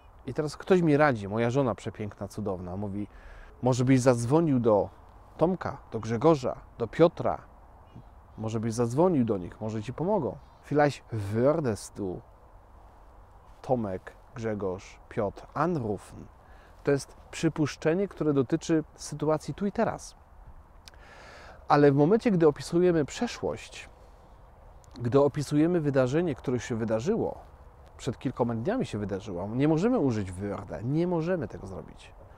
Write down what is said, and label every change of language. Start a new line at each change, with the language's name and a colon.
Polish: I teraz ktoś mi radzi, moja żona przepiękna, cudowna, mówi, może byś zadzwonił do Tomka, do Grzegorza, do Piotra. Może byś zadzwonił do nich, może ci pomogą.
German: Vielleicht würdest du Tomek, Grzegorz, Piotr anrufen.
Polish: To jest przypuszczenie, które dotyczy sytuacji tu i teraz. Ale w momencie, gdy opisujemy przeszłość, gdy opisujemy wydarzenie, które się wydarzyło, przed kilkoma dniami się wydarzyło, nie możemy użyć würde, nie możemy tego zrobić.